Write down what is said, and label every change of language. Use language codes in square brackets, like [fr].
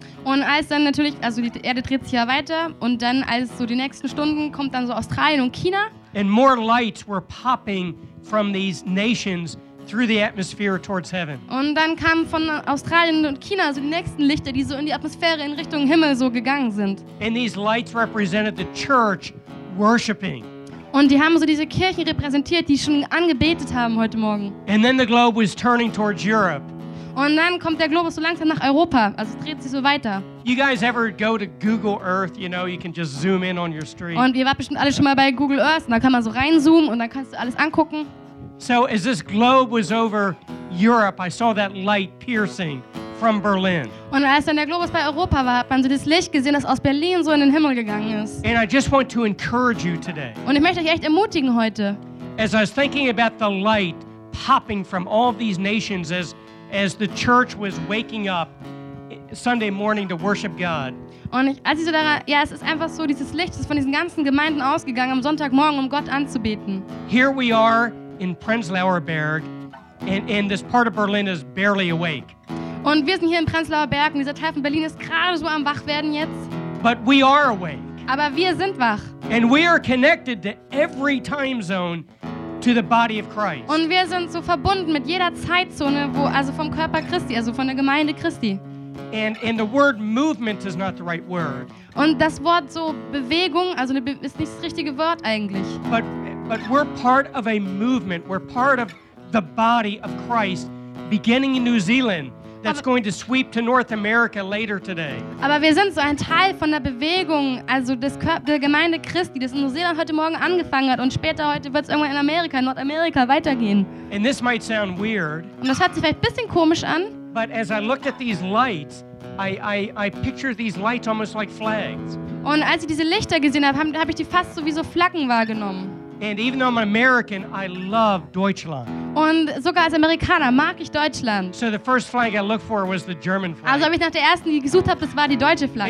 [de] Und als dann natürlich, also die Erde dreht sich ja weiter und dann als so die nächsten Stunden kommt dann so Australien und China. [en] And more lights were popping from these nations through the atmosphere towards heaven. [de] Und dann kamen von Australien und China also die nächsten Lichter, die so in die Atmosphäre in Richtung Himmel so gegangen sind. [en] And these lights represented the church worshiping. [de] Und die haben so diese Kirchen repräsentiert, die schon angebetet haben heute Morgen. [en] And then the globe was turning towards Europe. [de] Und dann kommt der Globus so langsam nach Europa, also dreht sich so weiter. [en] You guys ever go to Google Earth, you know, you can just zoom in on your street. [de] Und ihr wart bestimmt alle schon mal bei Google Earth, und da kann man so reinzoomen und dann kannst du alles angucken. [en] So as this globe was over Europe, I saw that light piercing from Berlin. [de] Und als dann der Globus bei Europa war, hat man so das Licht gesehen, das aus Berlin so in den Himmel gegangen ist. [en] And I just want to encourage you today. [de] Und ich möchte euch echt ermutigen heute. [en] As I was thinking about the light popping from all of these nations as the church was waking up Sunday morning to worship God. [de] Und ich, als ich so da, ja, es ist einfach so, dieses Licht ist von diesen ganzen Gemeinden ausgegangen am Sonntagmorgen, um Gott anzubeten. [en] Here we are in Prenzlauer Berg, and this part of Berlin is barely awake. [de] Und wir sind hier in Prenzlauer Berg und dieser Teil von Berlin ist gerade so am wach werden jetzt. [en] But we are awake. [de] Aber wir sind wach. [en] And we are connected to every time zone to the body of Christ. [de] Und wir sind so verbunden mit jeder Zeitzone, wo also vom Körper Christi, also von der Gemeinde Christi. [en] And the word movement is not the right word. [de] Und das Wort so Bewegung, also ist nicht das richtige Wort eigentlich. [en] But we're part of a movement. We're part of the body of Christ beginning in New Zealand. That's going to sweep to North America later today. [de] Aber wir sind so ein Teil von der Bewegung, also des der Gemeinde Christi, das in Neuseeland heute Morgen angefangen hat und später heute wird es irgendwann in Amerika, in Nordamerika weitergehen. [en] And this might sound weird. [de] Und das hört sich vielleicht ein bisschen komisch an. [en] But as I looked at these lights, I picture these lights almost like flags. [de] Und als ich diese Lichter gesehen habe, habe ich die fast so wie so Flaggen wahrgenommen. [en] And even though I'm American, I love Deutschland. [de] Und sogar als Amerikaner mag ich Deutschland. [en] So the first flag I looked for was the German flag. [de] Also, ich nach der ersten, die ich gesucht habe, das war die deutsche Flagge.